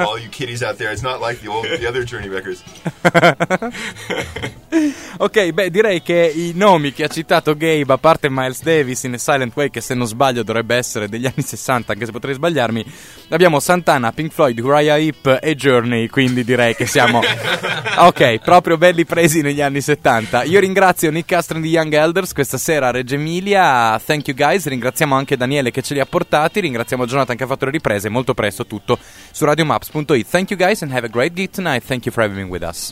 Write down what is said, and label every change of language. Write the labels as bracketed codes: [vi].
[en] All you kiddies out there, it's not like the other Journey records. [it] Ok, beh, direi che i nomi che ha citato Gabe, a parte Miles Davis in A Silent Way, che se non sbaglio dovrebbe essere degli anni 60, anche se potrei sbagliarmi, abbiamo Santana, Pink Floyd, Uriah Heep e Journey, quindi direi che siamo, ok, proprio belli presi negli anni 70. Io ringrazio Nick Castron di Young Elders, questa sera a Reggio Emilia, [en] thank you guys, [it] ringraziamo anche Daniele che ce li ha portati, ringraziamo Jonathan che ha fatto le riprese, molto presto tutto su radiomaps.it. [en] Thank you guys and have a great gig tonight, thank you for having me with us.